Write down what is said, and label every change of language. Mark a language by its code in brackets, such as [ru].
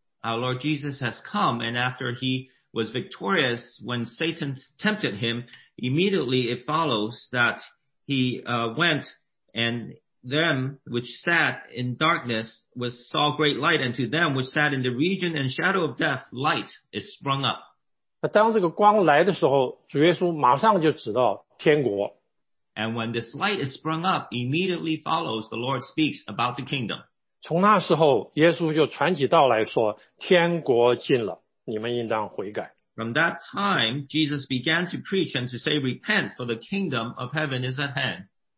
[en] Our Lord Jesus has come, and after he was victorious when Satan tempted him, immediately it follows that he went and them which sat in darkness was saw great light, and to them which sat in the region and shadow of death, light is sprung up. [zh] 当这个光来的时候，主耶稣马上就指到天国。 [en] And when this light is sprung up, immediately follows the Lord speaks about the kingdom. [zh] 从那时候耶稣就传起道来说，天国近了，你们应当悔改。 [en] From that time, Jesus began to preach and to say, repent, for the kingdom of heaven is at hand.